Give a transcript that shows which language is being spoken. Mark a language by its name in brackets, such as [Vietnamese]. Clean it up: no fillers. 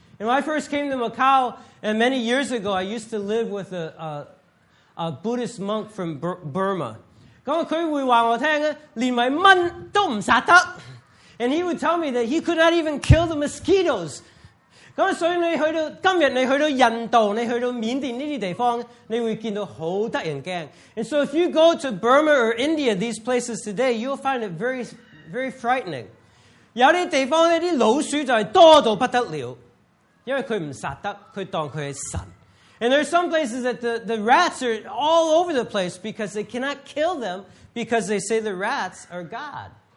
[English] And when I first came to Macau, and many years ago, I used to live with a Buddhist monk from Burma. And he would tell me that he could not even kill the mosquitoes. [Cantonese] 所以今天你去到印度、去到緬甸這些地方,你會見到很得人驚。 [English] And so if you go to Burma or India, these places today, you'll find it very, very frightening. [Cantonese] 有些地方,老鼠就是多到不得了。因為他不殺得,他當他是神。 [English] And there are some places that the rats are all over the place because they cannot kill them because they say the rats are God.